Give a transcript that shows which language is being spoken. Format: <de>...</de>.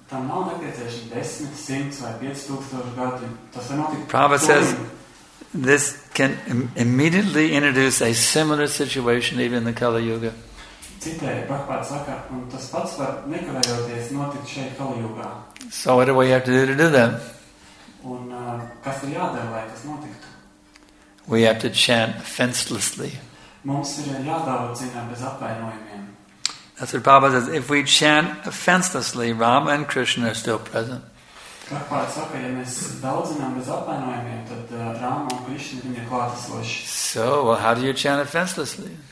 <en>Prabhupada says this can immediately introduce a similar situation even in the Kali Yuga. So what do we have to do that?</en> <lv>Un kas ir jādara, lai tas notiktu?</lv> <en>We have to chant fencelessly.</en> <lv>Mums ir jādaudzina bez apvainojumiem.</lv> <en>That's what Prabhupada says. If we chant fencelessly, Rama and Krishna are still present. So, well, how do you chant offenselessly?</en>